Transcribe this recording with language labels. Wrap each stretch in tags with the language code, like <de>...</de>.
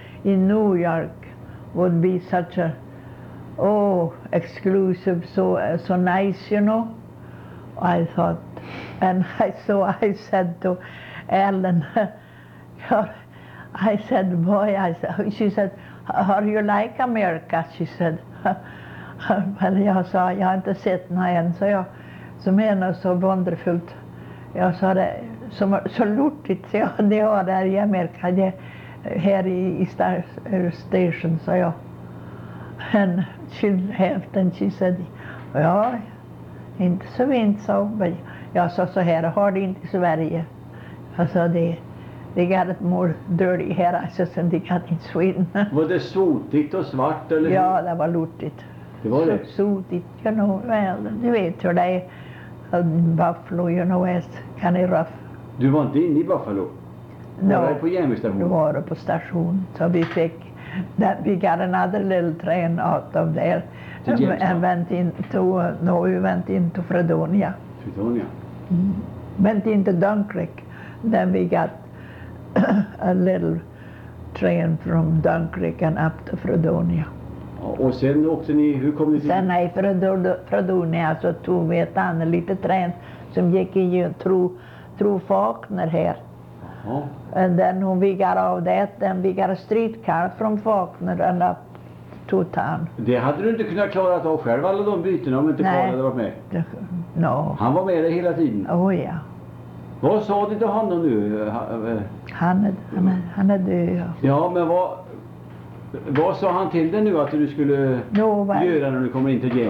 <en>in New York would be such a, oh, exclusive, so nice, you know. I thought, and I said to Ellen, I said, boy, she said, how do you like America? She said, well,</en> <sv>jag sa, jag har inte sett någon än, sa jag, som är något så wonderfullt. Jag sa det, som så lortigt, sa jag, det har där i Amerika, det här i station, sa jag.</sv> <en>And she laughed and she said,</en> <sv>ja, inte så vint, sa hon, men jag sa så här, har det inte i Sverige. Jag sa,</sv> <en>they got it more dirty here, I said, than they got in Sweden.</en> <sv>Var det sotigt och svart, eller hur? Ja, det var lortigt. Det var det?</sv> <en>Sotigt, you know, well,</en> <sv>du vet hur det är.</sv> <en>Buffalo, you know, it's kind of rough.</en> <sv>Du var inte inne i Buffalo?</sv> <en>No.</en> <sv>Var du på järnvägsstationen? Du var på station, så vi fick...</sv> <en>That we got another little train out of there and went into Fredonia. Fredonia. Mm. Went into Dunkirk. Then we got a little train from Dunkirk and up to Fredonia.</en> <sv>Och sen åkte ni, hur kom ni till? Sen i Fredonia så tog vi ett annat lite train som gick in through Faulkner här.</sv> <en>Oh. And then when we got out of that, then we got a streetcar from Faulkner and up to town.</en> <sv>Det hade du inte kunnat klara av själv, alla de bytena, om inte Karl hade varit med?</sv> <en>No.</en> <sv>Han var med dig hela tiden?</sv> <en>Oh, ja. Yeah.</en> <sv>Vad sa du till honom nu? Han är död, ja. Ja, men vad sa han till dig nu att du skulle göra när du kommer in till James?</sv>